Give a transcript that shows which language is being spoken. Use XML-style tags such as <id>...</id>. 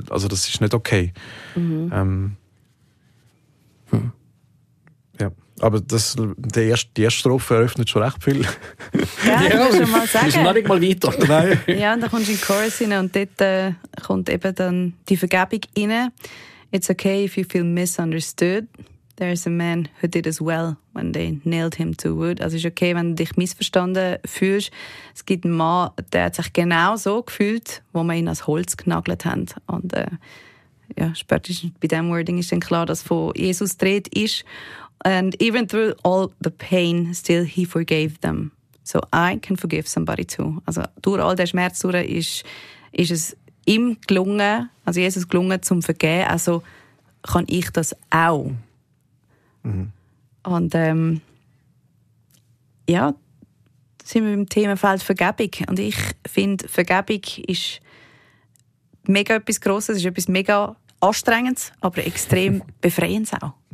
<de>Also das ist nicht okay. Aber die erste Strophe eröffnet schon recht viel. Ja, ich kann schon mal sagen. Ist noch nicht mal weiter. Nein. Ja, und dann kommst du in den Chorus rein und dort kommt eben dann die Vergebung rein.</de> <en>It's okay if you feel misunderstood. There's a man who did as well when they nailed him to wood.</en> <de>Also ist okay, wenn du dich missverstanden fühlst. Es gibt einen Mann, der hat sich genau so gefühlt, wo man ihn als Holz genagelt haben. Und spätestens bei diesem Wording ist dann klar, dass von Jesus dreht ist.</de> <en>And even through all the pain, still he forgave them. So I can forgive somebody too.</en> <de>Also durch all den Schmerz ist es ihm gelungen, also Jesus gelungen, zum Vergeben. Also kann ich das auch. Mhm. Und sind wir im Themenfeld Vergebung. Und ich finde, Vergebung ist mega etwas Grosses, ist etwas mega Anstrengendes, aber extrem Befreiendes auch.</de>